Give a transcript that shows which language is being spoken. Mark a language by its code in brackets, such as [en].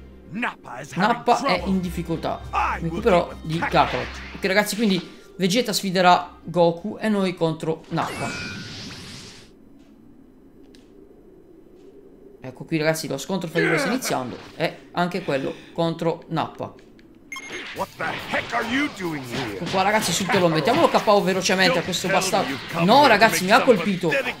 [it] Nappa è in difficoltà. Mi occuperò di Kakarot. Ok ragazzi, quindi Vegeta sfiderà Goku e noi contro Nappa. Ecco qui ragazzi, lo scontro fra di voi sta iniziando. E anche quello contro Nappa. [en] What the heck are you doing here? [it] Ecco qua ragazzi, subito lo mettiamolo KO velocemente a questo bastardo. No ragazzi, mi ha colpito.